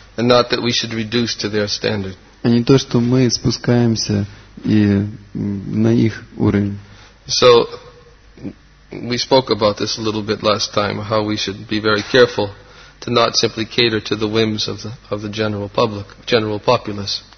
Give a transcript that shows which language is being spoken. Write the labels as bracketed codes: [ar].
[en] And not that we should reduce to their standard. [ru] А не то, что мы спускаемся и на их уровень. [en] So we spoke about this a little bit last time, how we should be very careful to not simply cater to the whims of the general public, general populace.